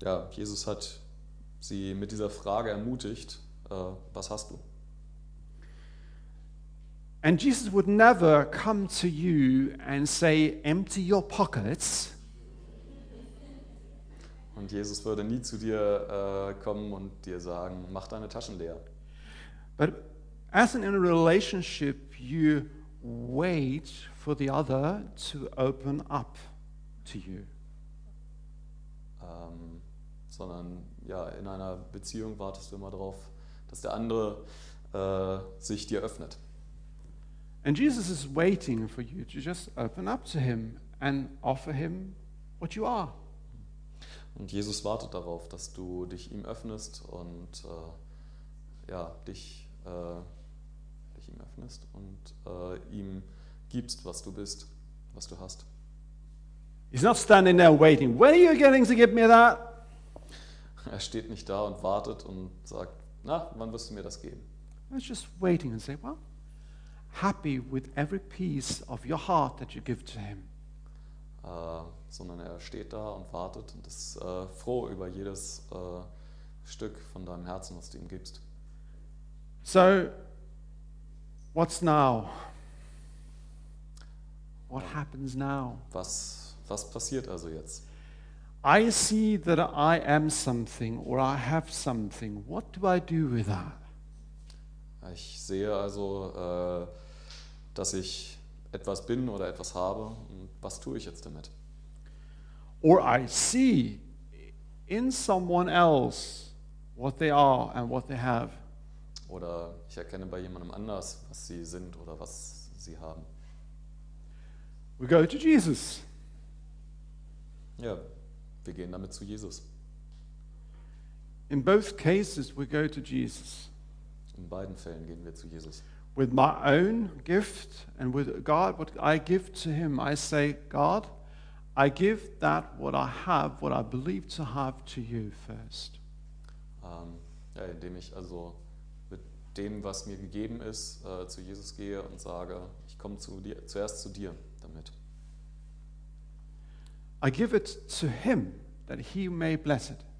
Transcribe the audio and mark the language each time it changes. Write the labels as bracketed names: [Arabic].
[German] Jesus hat sie mit dieser Frage ermutigt, was hast du? [English] And Jesus would never come to you and say, empty your pockets. [German] Und Jesus würde nie zu dir kommen und dir sagen, mach deine Taschen leer. [English] But as in a relationship, you wait for the other to open up to you. [German] Sondern in einer Beziehung wartest du immer darauf, dass der andere sich dir öffnet. [English] And Jesus is waiting for you to just open up to him and offer him what you are. [German] Und Jesus wartet darauf, dass du dich ihm öffnest und ja, dich ihm öffnest und ihm gibst, was du bist, was du hast. [English] He's not standing there waiting. When are you getting to give me that? [German] Er steht nicht da und wartet und sagt, na, wann wirst du mir das geben? [English] He's just waiting and say, well, happy with every piece of your heart that you give to him. [German] Sondern er steht da und wartet und ist froh über jedes Stück von deinem Herzen, was du ihm gibst. [English] So, what's now? What happens now? [German] Was passiert also jetzt? [English] I see that I am something or I have something. What do I do with that? [German] Ich sehe also, dass ich etwas bin oder etwas habe. Und was tue ich jetzt damit? [English] Or I see in someone else what they are and what they have. [German] Oder ich erkenne bei jemandem anders, was sie sind oder was sie haben. [English] We go to Jesus. [German] Ja, wir gehen damit zu Jesus. [English] In both cases we go to Jesus. [German] In beiden Fällen gehen wir zu Jesus. [English] With my own gift and with God, what I give to him, I say, God, I give that what I have, what I believe to have to you first. [German] Ja, indem ich also mit dem, was mir gegeben ist, zu Jesus gehe und sage, ich komme zuerst zu dir damit. [English] I give it to him that he may bless it.